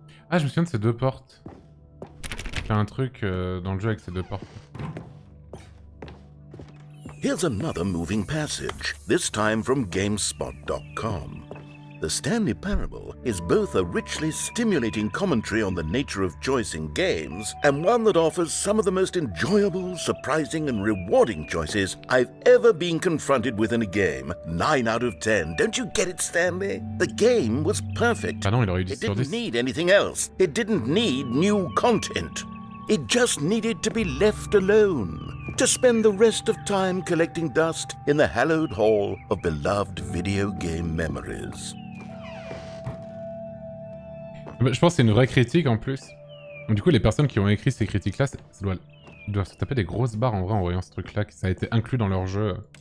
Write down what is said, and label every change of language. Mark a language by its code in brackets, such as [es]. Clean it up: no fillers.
[fr] Ah, je me souviens de ces deux portes. Il y a un truc dans le jeu avec ces deux portes. [en] Here's another moving passage, this time from GameSpot.com. The Stanley Parable is both a richly stimulating commentary on the nature of choice in games, and one that offers some of the most enjoyable, surprising, and rewarding choices I've ever been confronted with in a game. 9 out of 10. Don't you get it, Stanley? The game was perfect. [fr] Ah non, il aurait eu 10 sur 10. [en] It didn't need anything else. It didn't need new content. It just needed to be left alone. To spend the rest of time collecting dust in the hallowed hall of beloved video game memories. [fr] Je pense que c'est une vraie critique en plus. Du coup, les personnes qui ont écrit ces critiques-là, ils doivent se taper des grosses barres en vrai en voyant ce truc-là, que ça a été inclus dans leur jeu.